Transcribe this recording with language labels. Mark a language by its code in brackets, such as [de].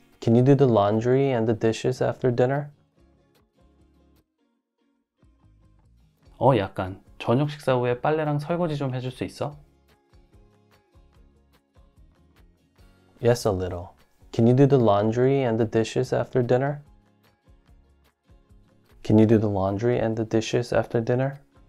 [en] Can you do the laundry and the dishes after dinner? [ko] 약간 저녁 식사 후에 빨래랑 설거지 좀 해줄 수 있어? [en] Yes, a little. Can you do the laundry and the dishes after dinner? Can you do the laundry and the dishes after dinner?